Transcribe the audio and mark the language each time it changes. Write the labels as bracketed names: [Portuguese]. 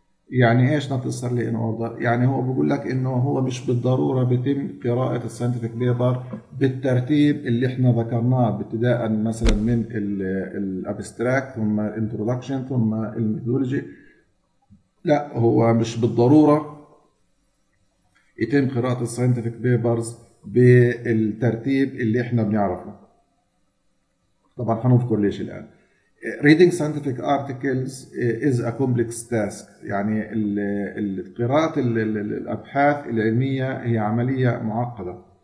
[Arabic] يعني ايش نتصر لي ان اوردر؟ يعني هو بيقول لك انه هو مش بالضروره بيتم قراءه الساينتفك بيبر بالترتيب اللي احنا ذكرناه، ابتداء مثلا من الابستراكت ثم الانترودكشن ثم الميثودولوجي. لا، هو مش بالضروره يتم قراءه الساينتفك بيبرز بالترتيب اللي احنا بنعرفه. طبعا هنذكر ليش الان. [English] Reading scientific articles is a complex task. [Arabic] يعني قراءة الأبحاث العلمية هي عملية معقدة.